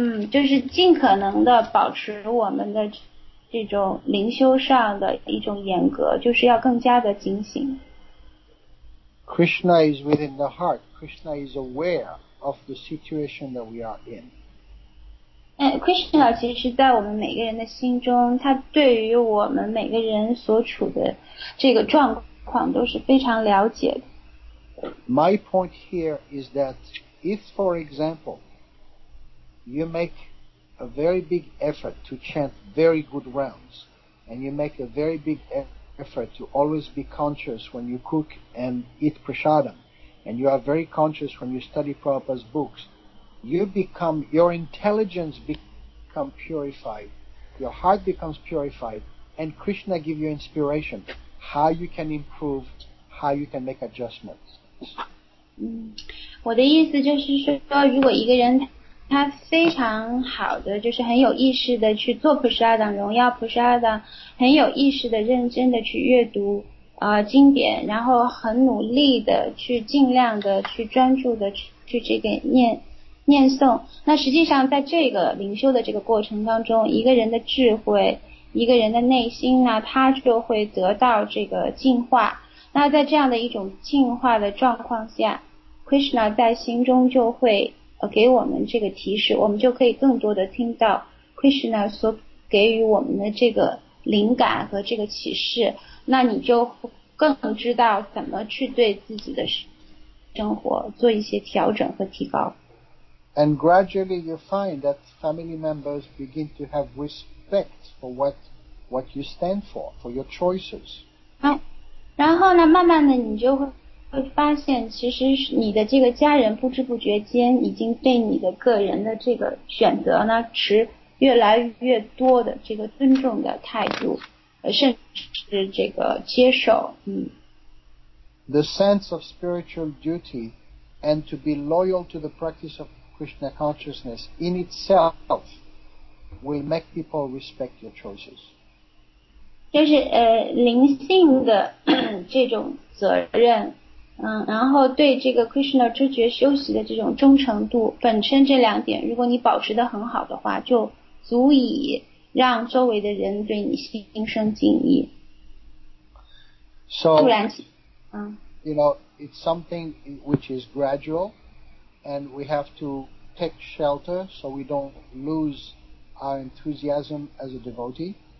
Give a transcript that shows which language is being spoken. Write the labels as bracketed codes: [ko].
[zh] 就是尽可能的保持我们的这种灵修上的一种严格，就是要更加的警醒。 [en] Krishna is within the heart. Krishna is awareof the situation that we are in. [zh] Krishna 其实在我们每个人的心中，他对于我们每个人所处的这个状况都是非常了解的。 [en] My point here is that if, for example, you make a very big effort to chant very good rounds, and you make a very big effort to always be conscious when you cook and eat prasadam,and you are very conscious when you study Prabhupada's books, your intelligence become purified, your heart becomes purified, and Krishna give you inspiration, how you can improve, how you can make adjustments. [zh] 我的意思就是说，如果一个人他非常好的，就是很有意识的去做普沙当，荣耀普沙当，很有意识的认真的去阅读经典，然后很努力的去尽量的去专注的 去这个念诵。那实际上在这个灵修的这个过程当中，一个人的智慧，一个人的内心呢，他就会得到这个进化。那在这样的一种进化的状况下， Krishna 在心中就会给我们这个提示，我们就可以更多的听到 Krishna 所给予我们的这个灵感和这个启示，那你就更知道怎么去对自己的生活做一些调整和提高。 [en] And gradually you find that family members begin to have respect for what you stand for your choices. [zh] 然后呢，慢慢的你就会发现，其实你的这个家人不知不觉间已经对你的个人的这个选择呢，持越来越多的这个尊重的态度，甚至这个接受。 [en] The sense of spiritual duty and to be loyal to the practice of Krishna consciousness in itself will make people respect your choices. [zh] 就是灵性的这种责任，然后对这个 Krishna 知觉休息的这种忠诚度，本身这两点如果你保持得很好的话，就足以让周围的人对你心生敬意。 [en] So, [zh] 突然间， [en] you know, it's something which is gradual, and we have to take shelter so we don't lose our enthusiasm as a devotee.